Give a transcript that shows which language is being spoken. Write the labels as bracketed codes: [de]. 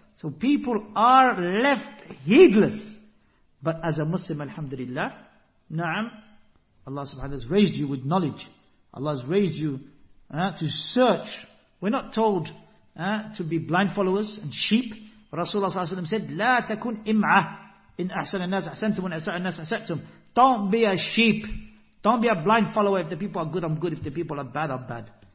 [en] So people are left heedless. But as a Muslim, alhamdulillah, na'am, Allah subhanahu wa ta'ala has raised you with knowledge. Allah has raised you to search. We're not told to be blind followers and sheep. [ar] Rasulullah sallallahu alayhi wa sallam said, لا تكون إمعة إن أحسن الناس أحسنتم وإن أساء الناس أساءتم. [en] Don't be a sheep. Don't be a blind follower. If the people are good, I'm good. If the people are bad, I'm bad.